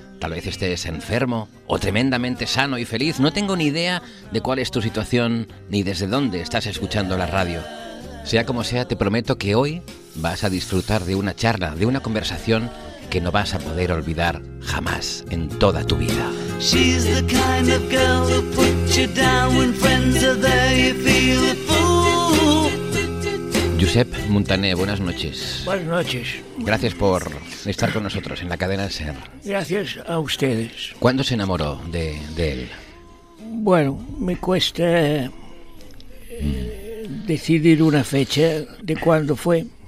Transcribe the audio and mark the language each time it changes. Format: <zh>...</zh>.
<es>Tal vez estés enfermo o tremendamente sano y feliz. No tengo ni idea de cuál es tu situación ni desde dónde estás escuchando la radio. Sea como sea, te prometo que hoy vas a disfrutar de una charla, de una conversación que no vas a poder olvidar jamás en toda tu vida.</es> <en>She's the kind of girl who puts you down when friends are there, you feel a fool.</en> <es>Josep Muntané, buenas noches. Buenas noches. Gracias por estar con nosotros en la cadena Ser. Gracias a ustedes. ¿Cuándo se enamoró de él? Bueno, me cuesta decidir una fecha de cuándo fue.</es>